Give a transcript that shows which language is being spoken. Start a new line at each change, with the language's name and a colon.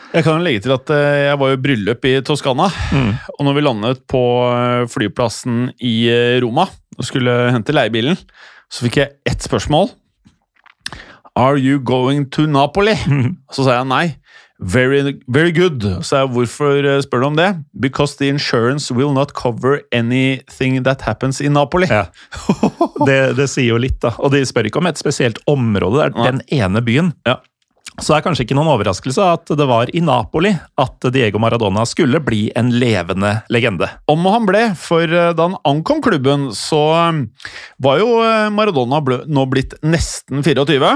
Norwegian: Jeg kan jo legge til at jeg var jo bryllup i Toskana, og når vi landet på flyplassen i Roma og skulle hente leiebilen, så fikk jeg ett spørsmål.
English: Are you going to Napoli?
Norwegian: Så sa jeg nei.
English: Very, very good.
Norwegian: Så jeg, hvorfor spør du om det?
English: Because the insurance will not cover anything that happens in Napoli.
Norwegian: Ja. Det sier jo litt da. Og de spør ikke om et spesielt område, det den ene byen. Ja. Så det kanskje ikke noen overraskelse at det var i Napoli at Diego Maradona skulle bli en levende legende. Om han ble, for da han ankom klubben, så var jo Maradona nå blitt nesten 24.